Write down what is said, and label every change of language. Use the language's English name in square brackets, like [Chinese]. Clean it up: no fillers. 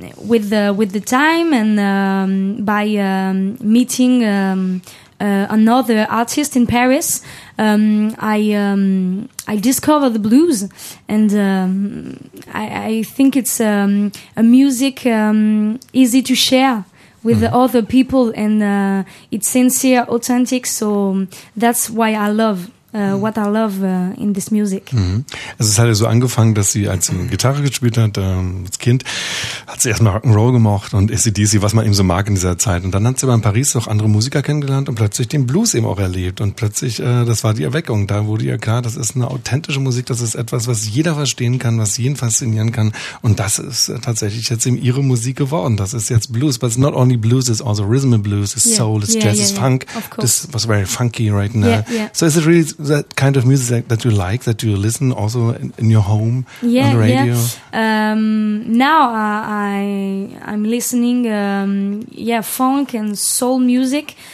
[English] with the time and by meeting another artist in Paris, I discovered the blues, and I think it's a music easy to share with other people, and it's sincere, authentic, so that's why I love what I love in this music. [German] Also es hat ja so angefangen, dass sie als Gitarre gespielt hat, als Kind, hat sie erstmal Rock'n'Roll gemocht und AC/DC, was man eben so mag in dieser Zeit. Und dann hat sie aber in Paris auch andere Musiker kennengelernt und plötzlich den Blues eben auch erlebt. Und plötzlich, das war die Erweckung. Da wurde ihr klar, das ist eine authentische Musik, das ist etwas, was jeder verstehen kann, was jeden faszinieren kann. Und das ist tatsächlich jetzt eben ihre Musik geworden. Das ist jetzt Blues. [English] But it's not only Blues, it's also Rhythm and Blues, it's Soul, it's Jazz, it's Funk. Of course. This was very funky right now. Yeah. So is it really that kind of music that you like, that you listen also in your home, yeah, on the radio? Yeah. Now I'm listening, funk and soul music.